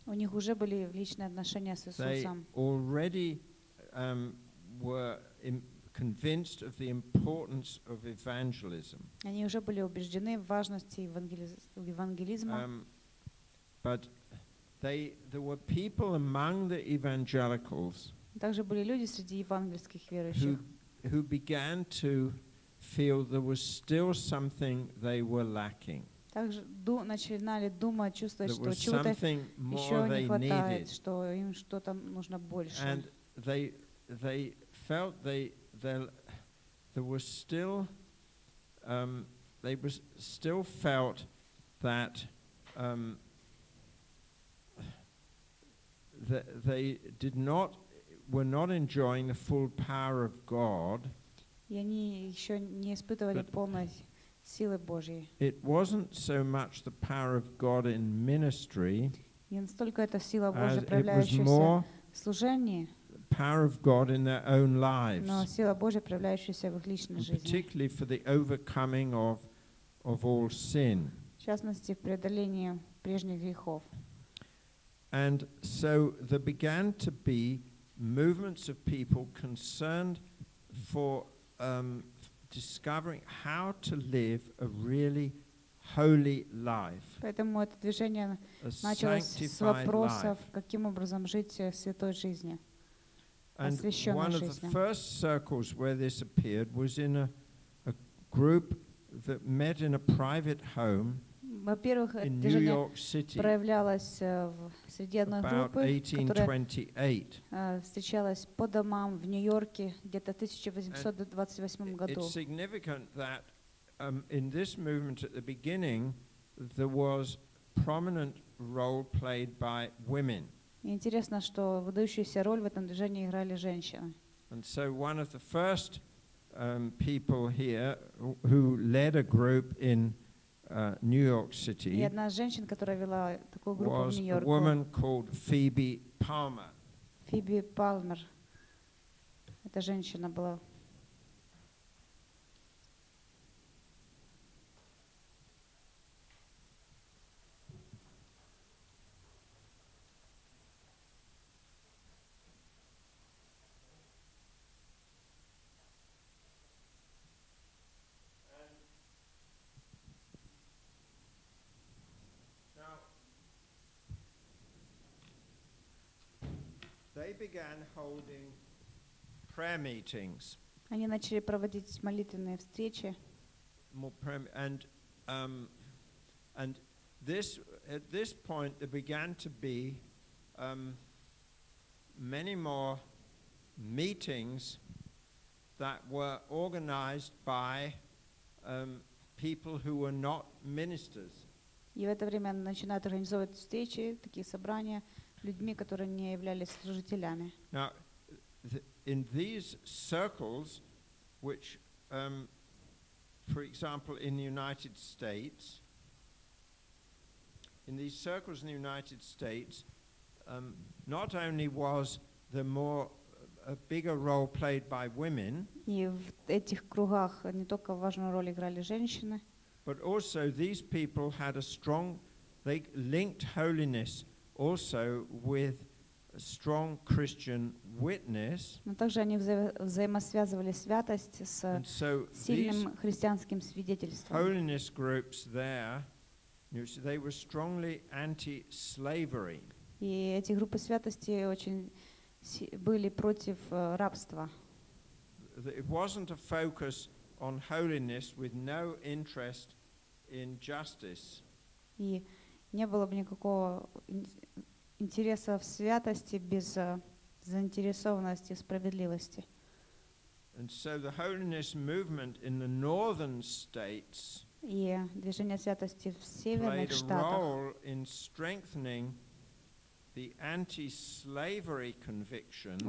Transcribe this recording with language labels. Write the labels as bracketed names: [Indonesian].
[Russian] У них уже были личные отношения с Иисусом. [English] They already were convinced of the importance of evangelism. [Russian] Они уже были убеждены в важности евангелизма. [English] But there were people among the evangelicals. [Russian] Также были люди среди евангельских верующих. [English] Who began to feel there was still something they were lacking. [Russian] Также начинали думать, чувствовать, что чего-то еще не хватает, что им что-то нужно больше. [English] And they felt they were not enjoying the full power of God. [Russian] И они еще не испытывали полной силы Божьей. [English] It wasn't so much the power of God in ministry. [Russian] Не настолько это сила Божья, проявляющаяся в служении. [English] Power of God in their own lives. [Russian] Но сила Божья, проявляющаяся в их личной жизни. [English] Particularly for the overcoming of all sin. [Russian] В частности, в преодолении прежних грехов. [English] And so there began to be movements of people concerned for discovering how to live a really holy life. [Russian] Поэтому это движение началось с вопросов, каким образом жить святой жизнью. [English] And one of the first circles where this appeared was in a group that met in a private home in New York City [Russian] проявлялось в среди одной группы, которая встречалась по домам в Нью-Йорке где-то 1828 году. [English] It's significant that in this movement at the beginning there was prominent role played by women. [Russian] Интересно, что выдающуюся роль в этом движении играли женщины. [English] And so one of the first people here who led a group in New York City. [Russian] И одна из женщин, которая вела такую группу в Нью-Йорке. [English] Was a woman called Phoebe Palmer. [Russian] Фиби Палмер. Эта женщина была. [English] Began holding prayer meetings. [Russian] Они начали проводить молитвенные встречи. [English] And this at this point there began to be many more meetings that were organized by people who were not ministers. [Russian] И в это время начинают организовывать встречи, такие собрания. Людьми, которые не являлись служителями. [English] Now, in these circles, which for example, in the United States, in these circles in the United States, not only was the more a bigger role played by women, [Russian] и в этих кругах не только важную роль играли женщины, [English] but also these people had a strong, they linked holiness also with a strong Christian witness. [Russian] Но также они взаимосвязывали святость с сильным христианским свидетельством. [English] Holiness groups there, you see, they were strongly anti-slavery. [Russian] И эти группы святости очень были против рабства. [English] It wasn't a focus on holiness with no interest in justice. [Russian] И не было бы никакого интереса в святости без заинтересованности в справедливости. [English] And so the holiness movement in the northern states played a role in strengthening the anti-slavery convictions.